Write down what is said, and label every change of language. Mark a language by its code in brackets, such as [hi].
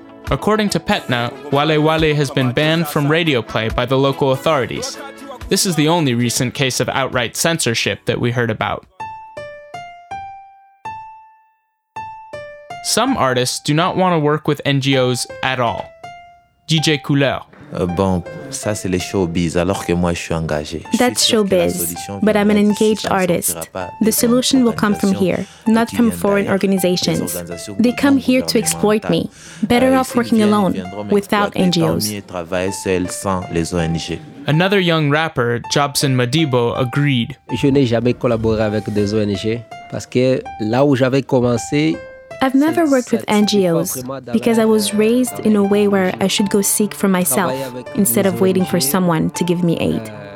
[en] According to PETNA, Wale Wale has been banned from radio play by the local authorities. This is the only recent case of outright censorship that we heard about. Some artists do not want to work with NGOs at all. DJ Couleur. [fr] Bon, ça c'est les showbiz, alors que moi je suis engagé. [en] That's showbiz, but I'm an engaged artist. The solution will come from here, not from foreign organizations. They come here to exploit me. Better off working alone, without NGOs. Another young rapper, Jobson Madibo, agreed. [fr] Je n'ai jamais collaboré avec des ONG, parce que là où j'avais commencé, [en] I've never worked with NGOs because I was raised in a way where I should go seek for myself instead of waiting for someone to give me aid.